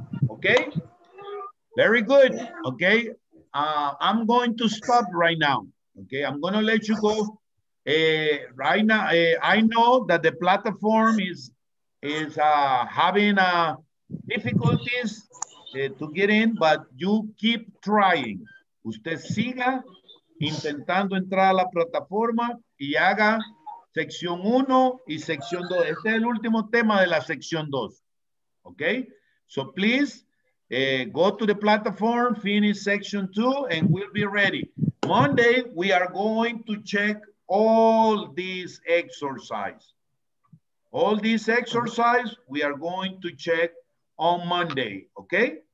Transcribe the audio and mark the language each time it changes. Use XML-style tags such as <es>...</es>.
<en>Okay? Very good. Okay? I'm going to stop right now. Okay? I'm going to let you go. Right now, I know that the platform is having difficulties to get in, but you keep trying.</en> <es>Usted siga intentando entrar a la plataforma y haga sección 1 y sección 2. Este es el último tema de la sección 2.</es> <en>Okay? So please go to the platform, finish section two, and we'll be ready. Monday, we are going to check all these exercises. All these exercises, we are going to check on Monday, okay?</en>